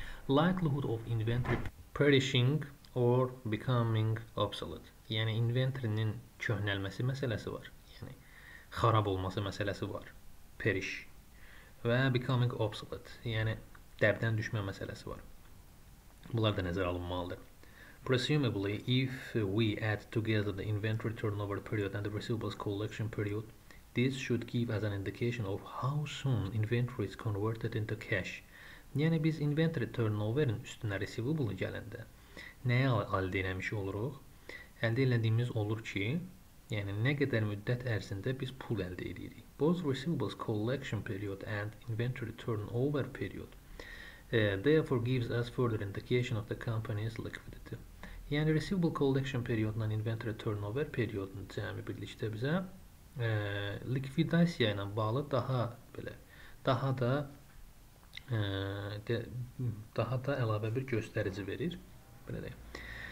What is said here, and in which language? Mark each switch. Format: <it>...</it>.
<en>Likelihood of inventory perishing or becoming obsolete.</en> <az>Yəni inventorinin köhnəlməsi məsələsi var. Yəni xarab olması məsələsi var. Perish və</az> <en>becoming obsolete.</en> <az>Yəni dəbdən düşmə məsələsi var. Bunlar da nəzərə alınmalıdır.</az> <en>Presumably if we add together the inventory turnover period and the receivables collection period, this should give us an indication of how soon inventory is converted into cash.</en> <az>Yəni biz inventory turnoverin üstünə receivable gələndə nəyə əldə etmiş oluruq? Əldə elədiyimiz olur ki, yəni nə qədər müddət ərzində biz pul əldə edirik.</az> <en>Both receivables collection period and inventory turnover period therefore gives us further indication of the company's liquidity.</en> <az>Yəni receivable collection period ilə inventory turnover periodun cəmi birlikdə bizə likvidasiya ilə bağlı daha belə daha da əlavə bir göstərici verir. Belə deyək.</az>